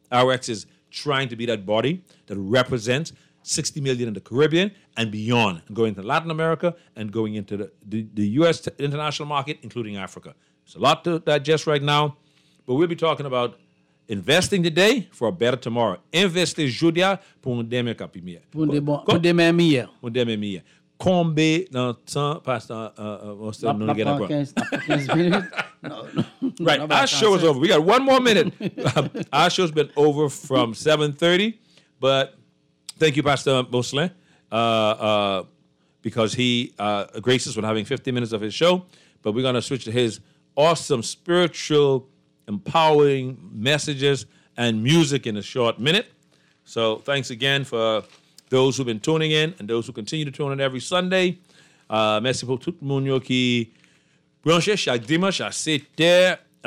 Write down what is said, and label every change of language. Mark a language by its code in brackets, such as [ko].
[en] ROX is trying to be that body that represents 60 million in the Caribbean and beyond, and going to Latin America and going into the U.S. international market, including Africa. It's a lot to digest right now, but we'll be talking about investing today for a better tomorrow. [fr] Investir aujourd'hui pour un demain qui est meilleur. Pour demain meilleur. Pour demain meilleur. Combien de temps passe dans le temps? [en] Right, our show is over. We got one more minute. Our show's been over from 7:30, but thank you, Pastor Moselin, because he graced us with having 15 minutes of his show. But we're going to switch to his awesome spiritual empowering messages and music in a short minute. So thanks again for those who've been tuning in and those who continue to tune in every Sunday. [fr] Merci pour tout le monde qui branche chaque dimanche à 7h.